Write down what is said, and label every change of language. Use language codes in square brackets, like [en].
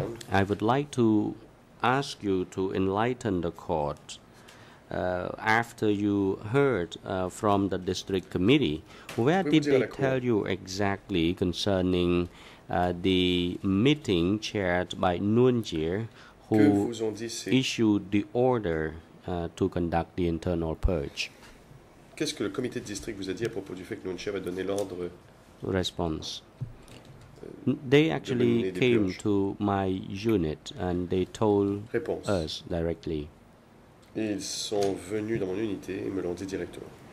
[en] I would like to ask you to enlighten the court after you heard from the district committee. Where did they tell you exactly concerning the meeting chaired by Nuon Chia, who issued the order to conduct the internal purge? [fr] Qu'est-ce que le comité de district vous a dit à propos du fait que Nuon Chia avait donné l'ordre? [en] Response: they actually came to my unit and they told us directly. [fr] Ils sont venus dans mon unité et me l'ont dit directement.